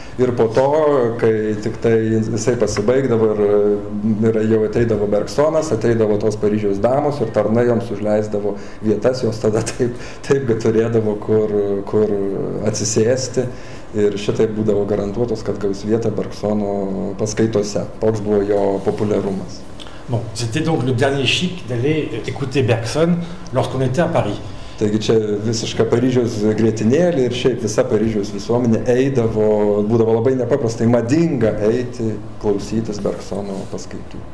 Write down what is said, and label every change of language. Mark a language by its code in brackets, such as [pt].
[lt] Ir po to, kai tik tai jisai pasibaigdavo ir jau ateidavo Bergsonas, ateidavo tos Paryžiaus damos ir tarnai joms užleisdavo vietas, jos tada taip, kad turėdavo kur atsisėsti. Ir šitai būdavo garantuotos, kad gaus vietą Bergsono paskaitose. Toks buvo jo populiarumas. [fr] Bon, c'était donc le dernier chic d'aller écouter Bergson lorsqu'on était à Paris. [lt] Taigi čia visiška Paryžiaus grietinėlė ir šiaip visa Paryžiaus visuomenė eidavo, būdavo labai nepaprastai madinga eiti klausytis Bergsono paskaitų.